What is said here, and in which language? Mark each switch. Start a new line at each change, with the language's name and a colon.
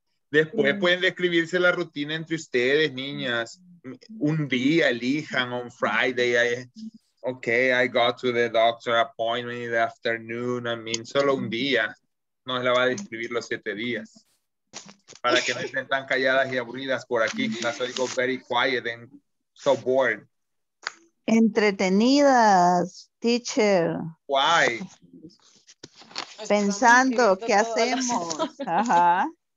Spanish: Después pueden describirse la rutina entre ustedes, niñas. Un día elijan,
English: on Friday, I got to the doctor appointment in the afternoon. I mean,
Spanish: solo un día. No la va a describir los 7 días. Para que no estén tan calladas y aburridas por aquí. Las oigo
English: very quiet and so bored.
Spanish: Entretenidas, teacher.
English: Why?
Spanish: Pensando, ¿qué hacemos? Ajá.